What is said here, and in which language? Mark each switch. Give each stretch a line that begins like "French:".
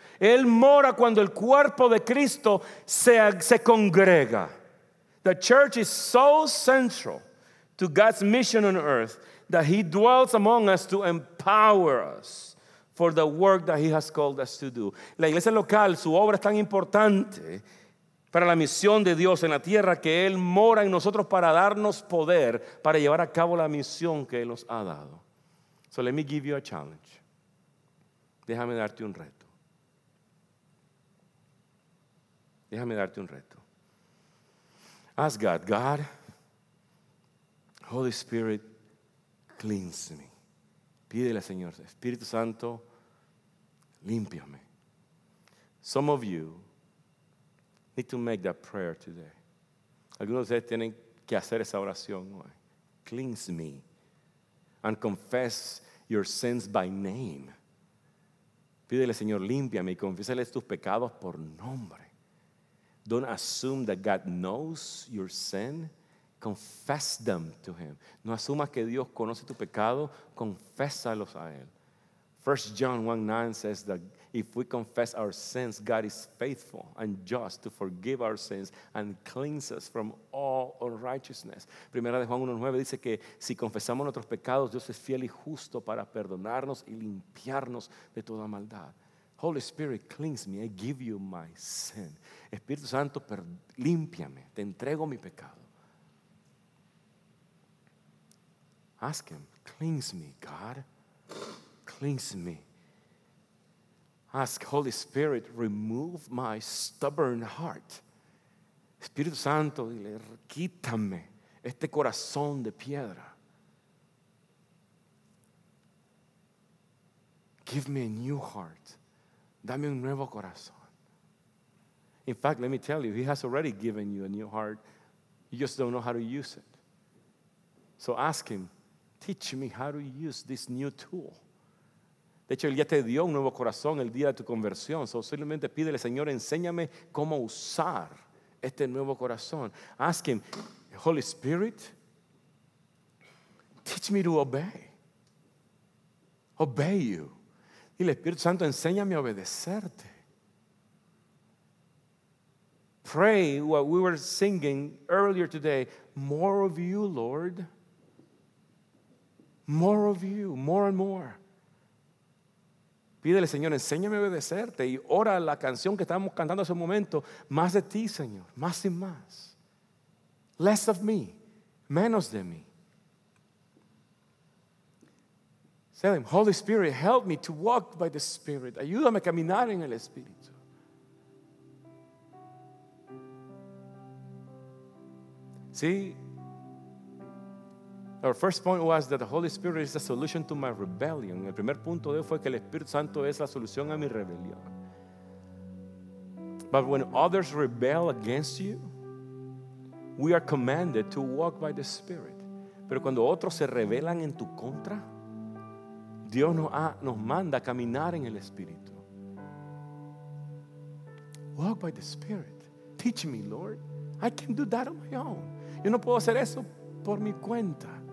Spanish: Él mora cuando el cuerpo de Cristo se congrega.
English: The church is so central to God's mission on earth that he dwells among us to empower us for the work that he has called us to do.
Spanish: La iglesia local, su obra es tan importante para la misión de Dios en la tierra que él mora en nosotros para darnos poder para llevar a cabo la misión que él nos ha dado.
English: So let me give you a challenge.
Spanish: Déjame darte un reto. Déjame darte un reto.
English: Ask God, God, Holy Spirit, cleanse me.
Spanish: Pídele al Señor, Espíritu Santo, límpiame.
English: Some of you need to make that prayer today.
Spanish: Algunos de ustedes tienen que hacer esa oración hoy.
English: Cleanse me and confess your sins by name.
Spanish: Pídele, Señor, límpiame y confiésales tus pecados por nombre.
English: Don't assume that God knows your sin. Confess them to him.
Spanish: No asumas que Dios conoce tu pecado. Confésalos a él.
English: 1 John 1:9 says that if we confess our sins, God is faithful and just to forgive our sins and cleanse us from all unrighteousness.
Spanish: Primera de Juan 1:9 dice que si confesamos nuestros pecados, Dios es fiel y justo para perdonarnos y limpiarnos de toda maldad.
English: Holy Spirit, cleanse me. I give you my sin.
Spanish: Espíritu Santo, límpiame. Te entrego mi pecado.
English: Ask him, cleanse me, God. Cleanse me. Ask Holy Spirit, remove my stubborn heart.
Spanish: Espíritu Santo, dile, quítame este corazón de piedra.
English: Give me a new heart.
Spanish: Dame un nuevo corazón.
English: In fact, let me tell you, he has already given you a new heart. You just don't know how to use it. So ask him, teach me how to use this new tool.
Spanish: De hecho, Él ya te dio un nuevo corazón el día de tu conversión. So, simplemente pídele, Señor, enséñame cómo usar este nuevo corazón.
English: Ask him, Holy Spirit, teach me to obey. Obey you.
Spanish: Y el Espíritu Santo, enséñame a obedecerte.
English: Pray what we were singing earlier today. More of you, Lord. More of you, more and more.
Spanish: Pídele, Señor, enséñame a obedecerte, y ora la canción que estábamos cantando hace un momento, más de ti, Señor, más y más.
English: Less of me,
Spanish: menos de mí.
English: Say, Holy Spirit, help me to walk by the Spirit.
Spanish: Ayúdame a caminar en el Espíritu.
English: See, our first point was that the Holy Spirit is the solution to my rebellion.
Spanish: El primer punto de fue que el Espíritu Santo es la solución a mi rebelión.
English: But when others rebel against you, we are commanded to walk by the Spirit.
Spanish: Pero cuando otros se rebelan en tu contra, Dios nos manda a caminar en el Espíritu.
English: Walk by the Spirit. Teach me, Lord. I can do that on my own.
Spanish: Yo no puedo hacer eso por mi cuenta.